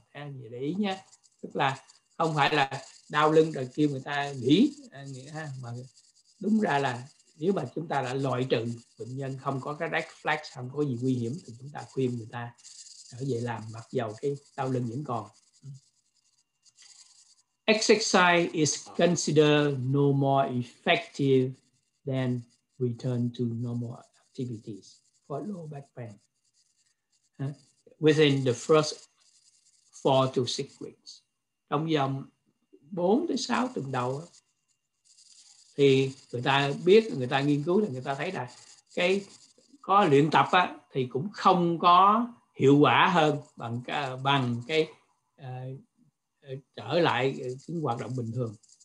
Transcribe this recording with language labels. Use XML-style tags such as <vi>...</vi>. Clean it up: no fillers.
<vi>Vậy để ý nhé, tức là không phải là đau lưng rồi kêu người ta nghỉ ha, mà đúng ra là nếu mà chúng ta đã loại trừ bệnh nhân không có cái red flag, không có gì nguy hiểm, thì chúng ta khuyên người ta trở về làm mặc dầu cái đau lưng vẫn còn.</vi> <en>exercise is considered no more effective than return to normal activities for low back pain within the first 4 to 6 weeks.</en> <vi>Trong vòng 4 tới 6 tuần đầu thì người ta biết, người ta nghiên cứu là người ta thấy là cái có luyện tập á, thì cũng không có hiệu quả hơn bằng bằng cái trở lại cái hoạt động bình thường.</vi>